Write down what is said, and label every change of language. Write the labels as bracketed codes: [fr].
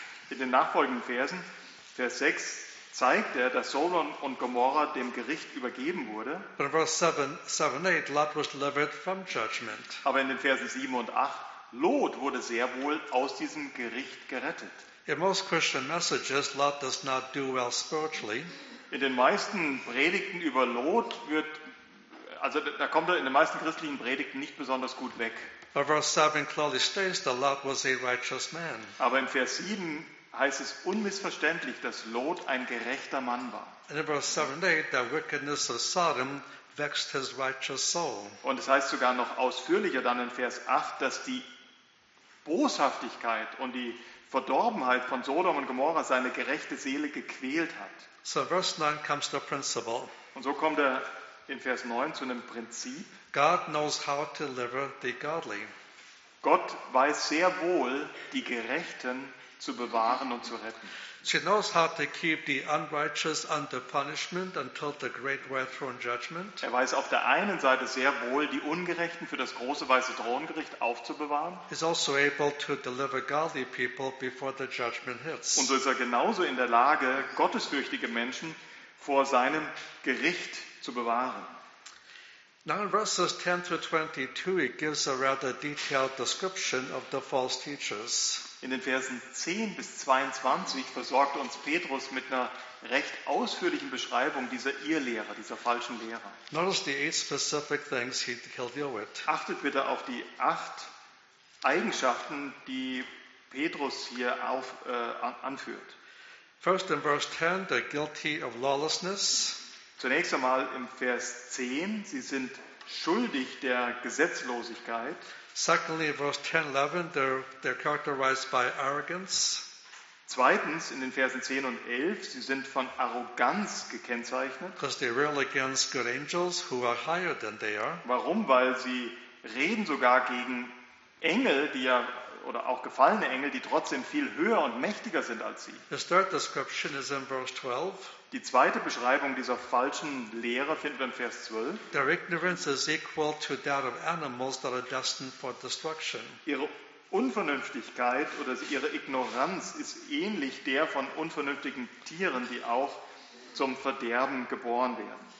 [de] In den nachfolgenden Versen, Vers 6, zeigt er, dass Sodom und Gomorra dem Gericht übergeben wurde. [en] But in verse 7-8, Lot was delivered from judgment. [de] Aber in den Versen 7 und 8, Lot wurde sehr wohl aus diesem Gericht gerettet. [en] In most Christian messages, Lot does not do well spiritually. [de] In den meisten Predigten über Lot wird, also da kommt er in den meisten christlichen Predigten nicht besonders gut weg. [en] But verse 7 clearly states that Lot was a righteous man. [de] Aber in Vers 7 heißt es unmissverständlich, dass Lot ein gerechter Mann war. In Vers [en] 7-8, the wickedness of Sodom vexed his righteous soul. [de] Und es heißt sogar noch ausführlicher dann in Vers 8, dass die Boshaftigkeit und die Verdorbenheit von Sodom und Gomorra seine gerechte Seele gequält hat. [en] So verse 9 comes the principle. [de] Und so kommt er in Vers 9 zu einem Prinzip. [en] God knows how to deliver the godly. [de] Gott weiß sehr wohl, die Gerechten zu bewahren und zu retten. [en] She knows how to keep the unrighteous under punishment until the great white throne judgment. [de] Er weiß auf der einen Seite sehr wohl, die Ungerechten für das große weiße Throngericht aufzubewahren. [en] He's also able to deliver godly people before the judgment hits. [de] Und so ist er genauso in der Lage, gottesfürchtige Menschen vor seinem Gericht zu bewahren. [en] Now in verses 10 through 22, it gives a rather detailed description of the false teachers. [de] In den Versen 10 bis 22 versorgt uns Petrus mit einer recht ausführlichen Beschreibung dieser Irrlehrer, dieser falschen Lehrer. [en] Notice the 8 specific things he'll deal with. [de] Achtet bitte auf die 8 Eigenschaften, die Petrus hier anführt. [en] First in verse 10, they're guilty of lawlessness. [de] Zunächst einmal im Vers 10, sie sind schuldig der Gesetzlosigkeit. [en] Secondly, in verse 10-11, they're characterized by arrogance. [de] Zweitens, in den Versen 10 und 11, sie sind von Arroganz gekennzeichnet. [en] Because they rail against good angels who are higher than they are. [de] Warum? Weil sie reden sogar gegen Engel, die ja, oder auch gefallene Engel, die trotzdem viel höher und mächtiger sind als sie. [en] The third description is in verse 12. [de] Die zweite Beschreibung dieser falschen Lehre finden wir in Vers 12. [en] Their ignorance is equal to that of animals that are destined for destruction. [de] Ihre Unvernünftigkeit oder ihre Ignoranz ist ähnlich der von unvernünftigen Tieren, die auch zum Verderben geboren werden.